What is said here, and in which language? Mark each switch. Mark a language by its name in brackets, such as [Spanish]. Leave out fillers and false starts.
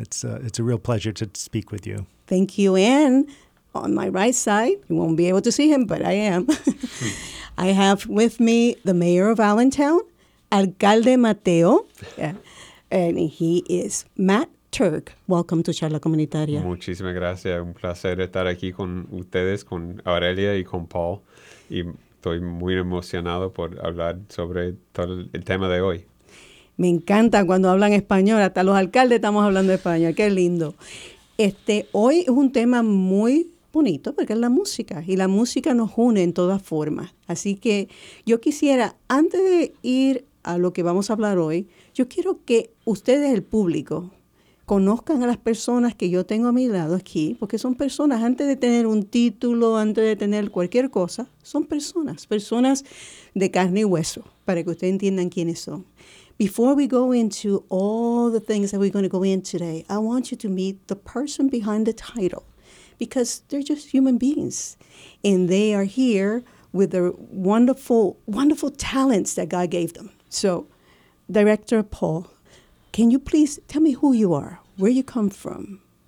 [English] It's a real pleasure to speak with you. Thank you, and on my right side, you won't be able to see him, but I am. I have with me the mayor of Allentown, Alcalde Mateo, and he is Matt Tuerk. Welcome to Charla Comunitaria. [Spanish] Muchísimas gracias. Un placer estar aquí con ustedes, con Aurelia y con Paul. Y estoy muy emocionado por hablar sobre todo el tema de hoy. Me encanta cuando hablan español. Hasta los alcaldes estamos hablando español. Qué lindo. Hoy es un tema muy bonito porque es la música y la música nos une en todas formas. Así que yo quisiera, antes de ir a lo que vamos a hablar hoy, yo quiero que ustedes, el público, conozcan a las personas que yo tengo a mi lado aquí, porque son personas, antes de tener un título, antes de tener cualquier cosa, son personas, personas de carne y hueso, para que ustedes entiendan quiénes son. [English] Before we go into all the things that we're going to go into today, I want you to meet the person behind the title, because they're just human beings, and they are here with their wonderful, wonderful talents that God gave them. So, Director Paul, can you please tell me who you are, where you come from?